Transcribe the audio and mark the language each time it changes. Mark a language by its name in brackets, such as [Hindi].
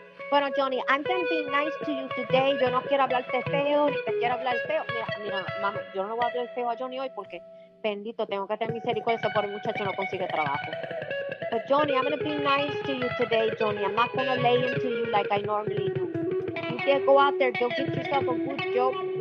[English] Bueno, Johnny, I'm going to be nice to you today. [Spanish] Yo no quiero hablarte feo, ni te quiero hablar feo. Mira, mamá, yo no voy a hablar feo a Johnny hoy porque, bendito, tengo que tener misericordia, ese pobre muchacho no consigue trabajo. [English] But, Johnny, I'm going to be nice to you today, Johnny. I'm not going to lay into you like I normally do. You can go out there, go get yourself a good job.